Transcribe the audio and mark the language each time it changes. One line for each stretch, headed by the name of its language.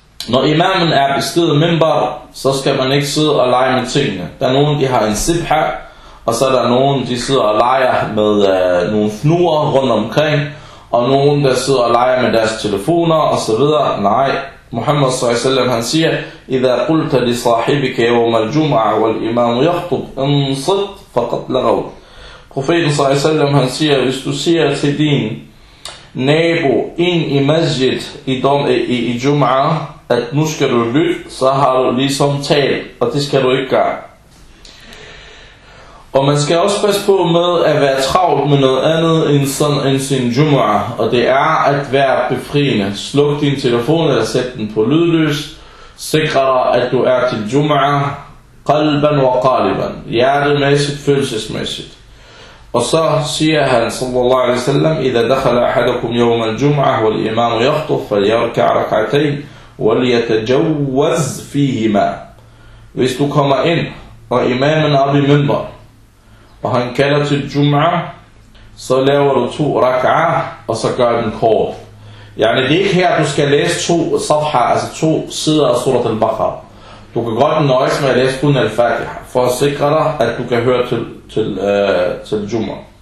Danish: Når imamen er bestedet minbar, så skal man ikke sidde og lege med tingene. Der er nogen, de har en sibha, og så er der nogen, de sidder og leger med nogle fnuer rundt omkring, og nogen, der sidder og leger med deres telefoner osv. Nej, Muhammad s.a.v. han siger,
Arabic: إِذَا قُلْتَ لِصَاحِبِكَ يَوْمَ الْجُمْعَةِ وَالْإِمَامُ يَخْطُبْ انصت فقط لغوت.
Danish: Profeten s.a.v. han siger, hvis du siger til din nabo ind i masjid i jum'a, at nu skal du lytte, så har du ligesom talt, og det skal du ikke gøre. Og man skal også passe på med at være travlt med noget andet end sådan en sin jum'a, og det er at være befriende. Sluk din telefon eller sæt den på lydløs. Sikre dig, at du er til jum'a,
Arabic: qalban wa qaliban,
Danish: hjertemæssigt, følelsesmæssigt. Og så siger han sallallahu alaihi wasallam,
Arabic: إِذَا دَخَلَ أَحَدَكُمْ يَوْمَ الْجُمْعَةِ وَالْإِمَامُ يَخْطُفْ فَلْيَرْكَعْ رَكْعَتَيْنِ وَلْيَتَجَوَّزْ فِيهِمَا.
Danish: Hvis du kommer ind, og imamen er oppe i minbar, og han kalder til jum'a, så laver du to rak'ah, og så gør den kort. Yani, det er ikke her, du skal læse to safha, altså to sider af surat al-Baqarah. Du kan godt nøjes med at læse kun al-Fatiha, for at sikre dig, at du kan høre til jum'a.